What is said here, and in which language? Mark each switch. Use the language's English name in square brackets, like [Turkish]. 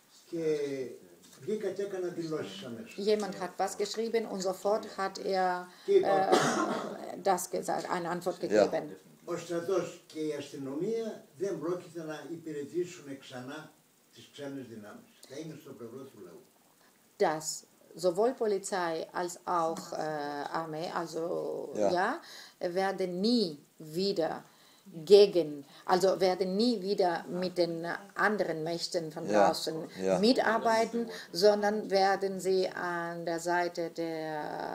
[Greek] Και βγήκα και έκανα δηλώσεις αμέσως. [German] Jemand hat was geschrieben und sofort hat er das gesagt, eine Antwort gegeben. [Greek] Ο στρατός και η αστυνομία δεν πρόκειται να υπηρετήσουν ξανά τις ξένες δυνάμεις. Θα είναι στο πλευρό του λαού. [German] Das sowohl Polizei als auch Armee, also ja, werden nie wieder gegen, also werden nie wieder mit den anderen Mächten von draußen mitarbeiten, sondern werden sie an der Seite der